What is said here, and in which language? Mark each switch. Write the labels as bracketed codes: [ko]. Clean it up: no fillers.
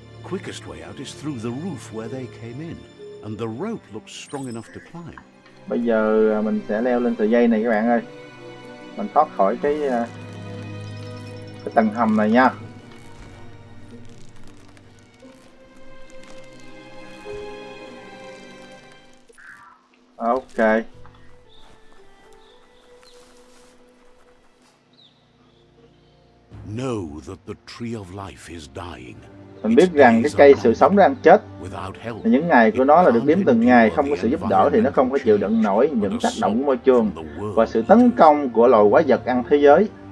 [en] Quickest way out is through the roof where they came in, and the rope looks strong enough to climb. [vi] Bây giờ mình sẽ leo lên sợi dây này các bạn ơi. Mình thoát khỏi cái tầng hầm này nha. [en] Okay. Know that the tree of life is dying. [vi] Mình biết rằng cái cây sự sống đang chết. Những ngày của nó là được nếm từng ngày, không có sự giúp đỡ thì nó không có chịu đựng nổi những tác động của môi trường và sự tấn công của loài quái vật ăn thế giới.